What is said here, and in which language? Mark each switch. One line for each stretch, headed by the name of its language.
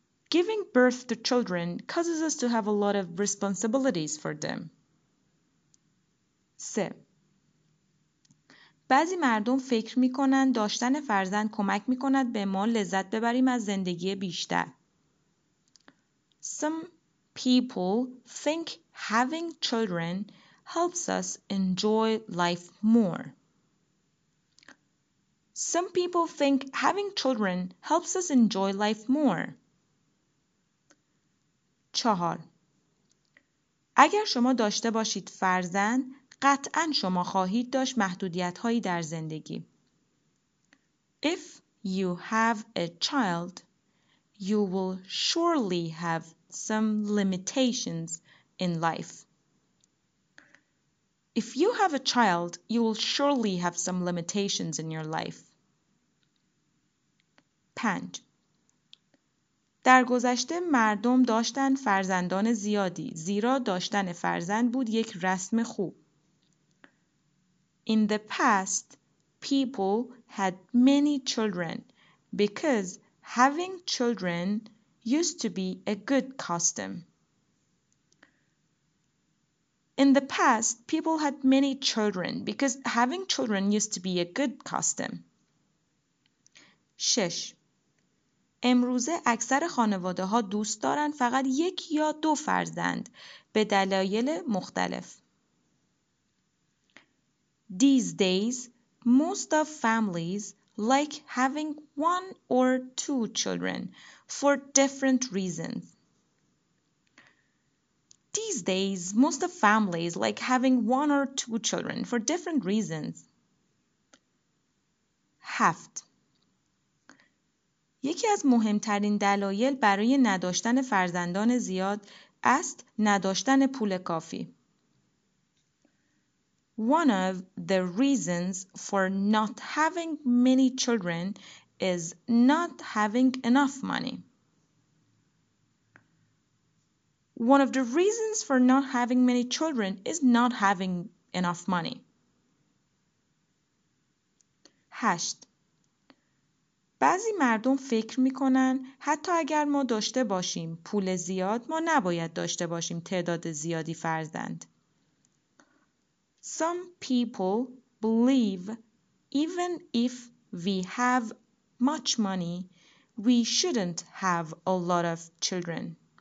English: Giving birth to children causes us to have a lot of responsibilities for them. 3.
Persian: بعضی مردم فکر می‌کنند داشتن فرزند کمک می‌کند به ما لذت ببریم از زندگی بیشتر.
English: Some people think having children helps us enjoy life more. Some people think having children helps us enjoy life more. 4.
Persian: اگر شما داشته باشید فرزند، قطعاً شما خواهید داشت محدودیت‌هایی در زندگی.
English: If you have a child, you will surely have some limitations in life. If you have a child, you will surely have some limitations in your life. 5.
Persian: در گذشته مردم داشتن فرزندان زیادی، زیرا داشتن فرزند بود یک رسم خوب.
English: In the past, people had many children because having children used to be a good custom. In the past, people had many children because having children used to be a good custom. 6.
Persian: امروزه اکثر خانواده ها دوست دارن فقط یک یا دو فرزند به دلایل مختلف.
English: These days, most of families like having one or two children for different reasons. These days, most of families like having one or two children for different reasons.
Persian: هفت. یکی از مهمترین دلایل برای نداشتن فرزندان زیاد است نداشتن پول کافی.
English: One of the reasons for not having many children is not having enough money. One of the reasons for not having many children is not having enough money. هشت. بعضی مردم فکر میکنن حتی اگر ما داشته باشیم پول زیاد ما نباید داشته باشیم تعداد زیادی فرزند. Some people believe even if we have much money, we shouldn't have a lot of children.